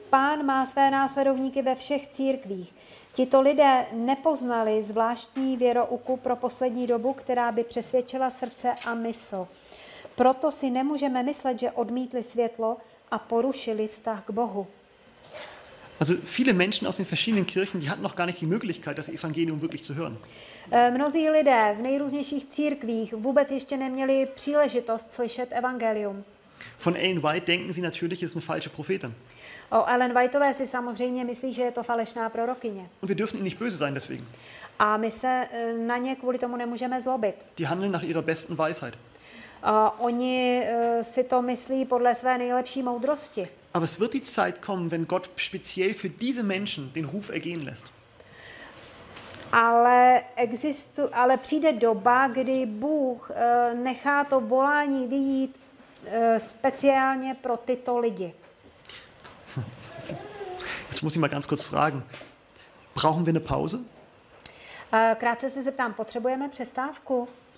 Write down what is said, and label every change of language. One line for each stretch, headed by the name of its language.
Czech: Pán má své následovníky ve všech církvích. Tito lidé nepoznali zvláštní věrouku pro poslední dobu, která by přesvědčila srdce a mysl. Proto si nemůžeme myslet, že odmítli světlo a porušili vztah k Bohu.
German: Also viele Menschen aus den verschiedenen Kirchen, die hatten noch gar nicht die Möglichkeit, das Evangelium wirklich zu hören.
Czech: Mnozí lidé v nejrůznějších církvích vůbec ještě neměli příležitost slyšet evangelium.
German: Von Ellen White denken sie natürlich, es ist eine falsche Prophetin.
Czech: O Ellen Whiteové si samozřejmě myslí, že je to falešná prorokyně.
German: Und wir dürfen ihnen nicht böse sein deswegen.
Czech: A my se na ně kvůli tomu nemůžeme zlobit.
German: Die handeln nach ihrer besten Weisheit.
Czech: Oni si to myslí podle své nejlepší moudrosti.
German: Aber es wird die Zeit kommen, wenn Gott speziell für diese Menschen den Ruf ergehen lässt.
Czech: Ale přijde doba, kdy Bůh nechá to volání vyjít speciálně pro tyto lidi.
German: Jetzt muss ich mal ganz kurz fragen. Brauchen wir eine Pause?
Czech: Krátce se zeptám, potřebujeme přestávku?